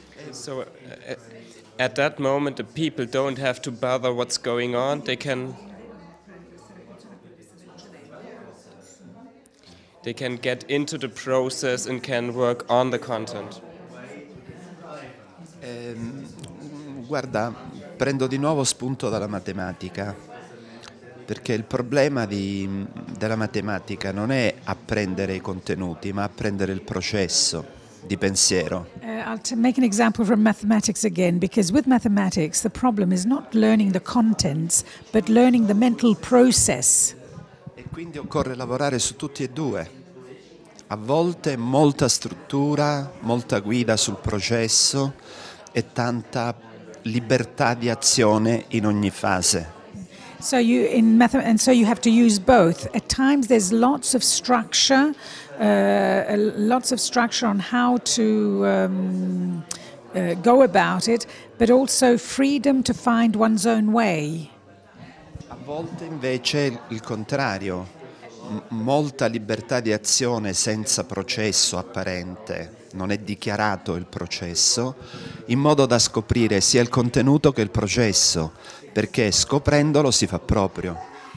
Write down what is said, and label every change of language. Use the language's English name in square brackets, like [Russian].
[English] So, at that moment, the people don't have to bother what's going on. They can get into the process and can work on the content. [Italian] Guarda, prendo di nuovo spunto dalla matematica, perché il problema della matematica non è apprendere i contenuti, ma apprendere il processo di pensiero. [English] I'll make an example from mathematics again, because with mathematics the problem is not learning the contents but learning the mental process. [Italian] E quindi occorre lavorare su tutti e due. A volte molta struttura, molta guida sul processo e tanta libertà di azione in ogni fase. [English] So you in math and so you have to use both. At times there's lots of structure. Lots of structure on how to go about it, but also freedom to find one's own way. [Italian] A volte invece il contrario, molta libertà di azione senza processo apparente, non è dichiarato il processo, in modo da scoprire sia il contenuto che il processo, perché scoprendolo si fa proprio.